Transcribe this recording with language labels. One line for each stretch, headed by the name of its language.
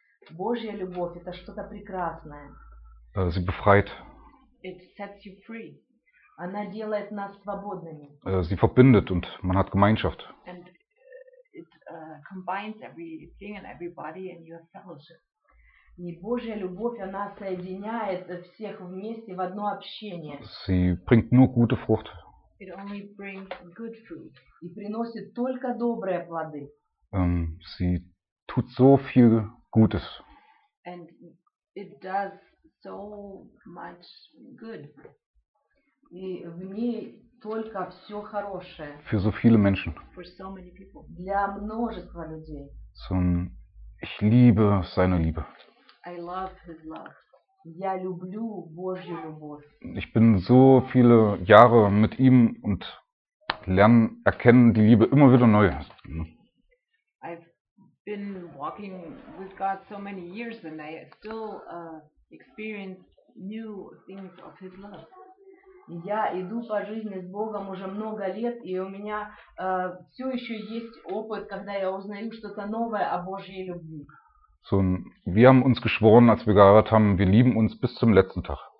Russian: Божья любовь — это что-то прекрасное.
German: Sie befreit.
English: It sets you free.
Russian: Она делает нас свободными.
German: Sie verbindet und man hat Gemeinschaft.
English: And it combines everything and everybody and you have fellowship.
Russian: И Божья любовь, она соединяет всех вместе в одно общение.
German: Sie bringt nur gute Frucht.
English: It only brings good fruit.
Russian: И приносит только добрые плоды.
German: Sie tut so viel Gutes.
English: And it does so much good.
Russian: И в ней только все хорошее.
German: Für so viele Menschen.
English: For so many people.
Russian: Для множества людей.
German: Ich liebe seine Liebe.
English: I love his love.
Russian: Я люблю Божью любовь.
German: Ich bin so viele Jahre mit ihm und lerne erkennen die Liebe immer wieder neu.
English: I've been walking with God so many years and I still experience new things of his love.
Russian: Я иду по жизни с Богом уже много лет, и у меня все еще есть опыт, когда я узнаю что-то новое о Божьей любви.
German: So, wir haben uns geschworen, als wir geheiratet haben, wir lieben uns bis zum letzten Tag.